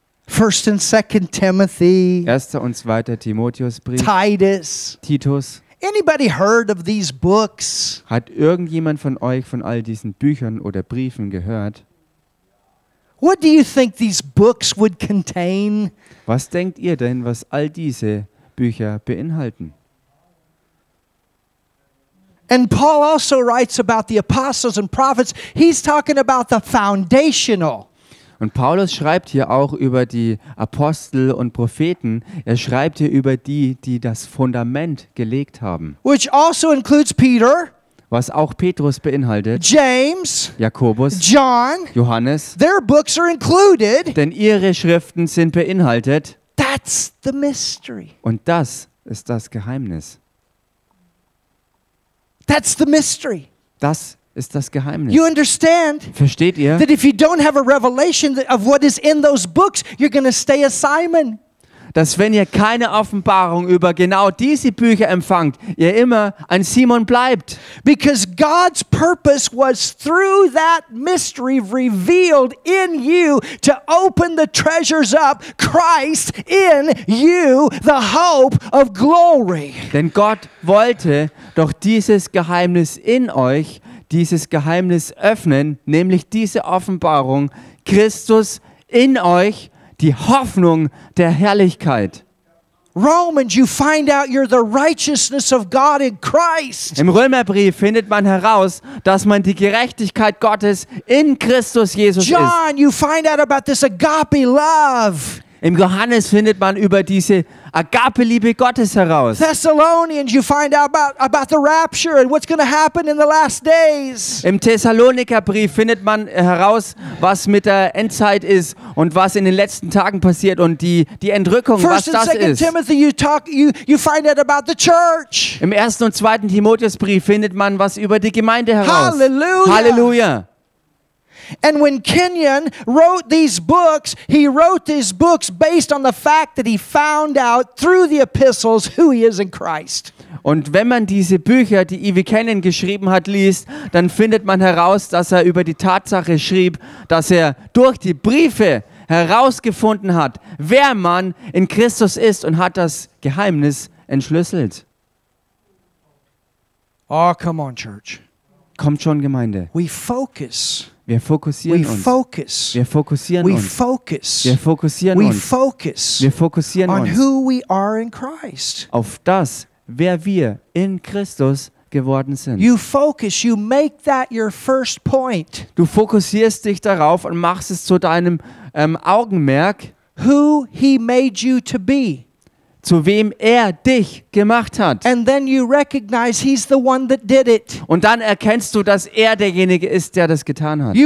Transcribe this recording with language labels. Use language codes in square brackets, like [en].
[en] 1st and 2nd Timothy, [de] 1. und 2. Timotheusbrief, [en] Titus, [de] Titus. [en] Anybody heard of these books? [de] Hat irgendjemand von euch von all diesen Büchern oder Briefen gehört? [en] What do you think these books would contain? [de] Was denkt ihr denn, was all diese Bücher beinhalten? [en] And Paul also writes about the apostles and prophets. He's talking about the foundational. [de] Und Paulus schreibt hier auch über die Apostel und Propheten. Er schreibt hier über die, die das Fundament gelegt haben. [en] Which also includes Peter. [de] Was auch Petrus beinhaltet, [en] James, [de] Jakobus, [en] John, [de] Johannes, [en] their books are included, [de] denn ihre Schriften sind beinhaltet. [en] That's the mystery. [de] Und das ist das Geheimnis. [en] That's the mystery. [de] Das ist das Geheimnis. [en] You understand? [de] Versteht ihr? [en] That if you don't have a revelation of what is in those books, you're going to stay a Simon. [de] Dass wenn ihr keine Offenbarung über genau diese Bücher empfangt, ihr immer ein Simon bleibt. [en] Because God's purpose was through that mystery revealed in you to open the treasures up, Christ in you, the hope of glory. [de] Denn Gott wollte doch dieses Geheimnis in euch, dieses Geheimnis öffnen, nämlich diese Offenbarung, Christus in euch, die Hoffnung der Herrlichkeit. [en] Romans, you find out you're the righteousness of God in Christ. [de] Im Römerbrief findet man heraus, dass man die Gerechtigkeit Gottes in Christus Jesus ist. [en] John, you find out about this agape love. [de] Im Johannes findet man über diese Agape-Liebe Gottes heraus. [en] Thessalonians, you find out about the rapture and what's going to happen in the last days. [de] Im Thessalonikerbrief findet man heraus, was mit der Endzeit ist und was in den letzten Tagen passiert und die Entrückung, was das ist. 1. und 2. [en] Timothy, you find out about the church. [de] Im 1. und 2. Timotheusbrief findet man was über die Gemeinde heraus. [en] Halleluja! [de] Halleluja! [en] And when Kenyon wrote these books, he wrote these books based on the fact that he found out through the epistles who he is in Christ. [de] Und wenn man diese Bücher, die Ivy Kenyon geschrieben hat, liest, dann findet man heraus, dass er über die Tatsache schrieb, dass er durch die Briefe herausgefunden hat, wer man in Christus ist und hat das Geheimnis entschlüsselt. [en] Oh, come on, church. [de] Kommt schon, Gemeinde. [en] We focus. [de] Wir fokussieren uns. [en] Focus. [de] Wir fokussieren [en] we [de] uns. [en] Focus. [de] Wir fokussieren [en] we [de] uns. [en] Focus. [de] Wir fokussieren [en] on [de] uns. [en] Who we are in Christ. [de] Auf das, wer wir in Christus geworden sind. [en] You focus. You make that your first point. [de] Du fokussierst dich darauf und machst es zu deinem Augenmerk. [en] Who he made you to be. [de] Zu wem er dich gemacht hat. [en] And then you recognize he's the one that did it. [de] Und dann erkennst du, dass er derjenige ist, der das getan hat.